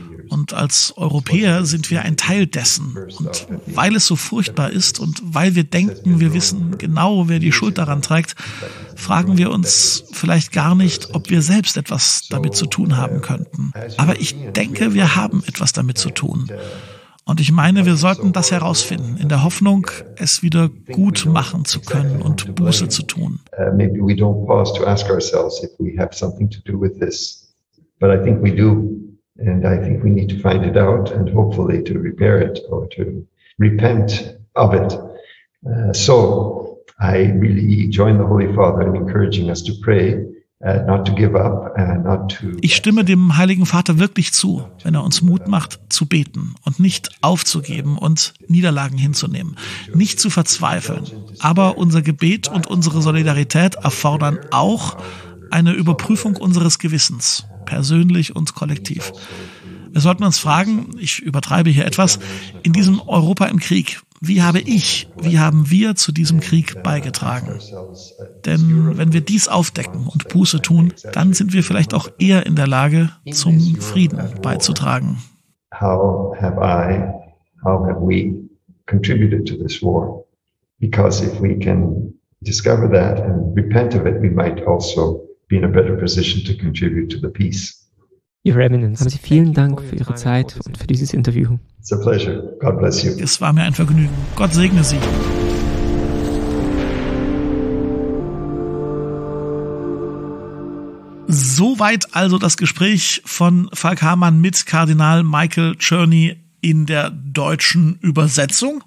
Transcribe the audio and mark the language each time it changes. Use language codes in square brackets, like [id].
[de] Und als Europäer sind wir ein Teil dessen. Und weil es so furchtbar ist und weil wir denken, wir wissen genau, wer die Schuld daran trägt, fragen wir uns vielleicht gar nicht, ob wir selbst etwas damit zu tun haben könnten. Aber ich denke, wir haben etwas damit zu tun. Und ich meine, wir sollten das herausfinden, in der Hoffnung, es wieder gut machen zu können und Buße zu tun. [en] Maybe we don't pause to ask ourselves if we have something to do with this. But I think we do. And I think we need to find it out and hopefully to repair it or to repent of it. So I really join the Holy Father in encouraging us to pray, not to give up, not to. [de] Ich stimme dem Heiligen Vater wirklich zu, wenn er uns Mut macht, zu beten und nicht aufzugeben und Niederlagen hinzunehmen, nicht zu verzweifeln. Aber unser Gebet und unsere Solidarität erfordern auch eine Überprüfung unseres Gewissens. Persönlich und kollektiv. Wir sollten uns fragen, ich übertreibe hier etwas, in diesem Europa im Krieg, wie haben wir zu diesem Krieg beigetragen? Denn wenn wir dies aufdecken und Buße tun, dann sind wir vielleicht auch eher in der Lage, zum Frieden beizutragen. [en] How have we contributed to this war? Because if we can discover that and repent of it, we might also be in a better position to contribute to the peace. Your Eminence, [de] haben Sie vielen Dank für Ihre Zeit und für dieses Interview. [en] It's a pleasure. God bless you. [de] Es war mir ein Vergnügen. Gott segne Sie. Soweit also das Gespräch von Falk Hamann mit Kardinal Michael Czerny in der deutschen Übersetzung.